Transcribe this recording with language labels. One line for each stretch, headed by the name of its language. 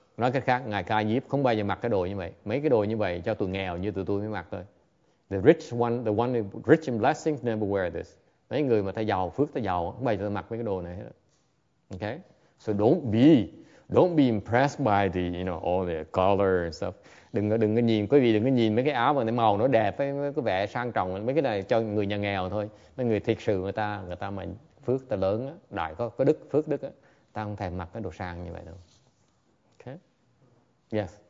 Vietnamese: Nói cách khác, ngài Ca Diếp không bao giờ mặc cái đồ như vậy. Mấy cái đồ như vậy cho tụi nghèo như tụi tôi mới mặc thôi.
English: The one rich in blessings never wear this.
Vietnamese: Mấy người mà ta giàu, phước ta giàu, không bao giờ mặc mấy cái đồ này hết.
English: Okay? So don't be impressed by the, you know, all the color and stuff.
Vietnamese: Đừng có nhìn, quý vị đừng có nhìn mấy cái áo bằng cái màu nó đẹp, có vẻ sang trọng. Mấy cái này cho người nhà nghèo thôi. Mấy người thiệt sự người ta mà phước ta lớn, đại có đức, phước đức, ta không thèm mặc cái đồ sang như vậy đâu.
English: Yes.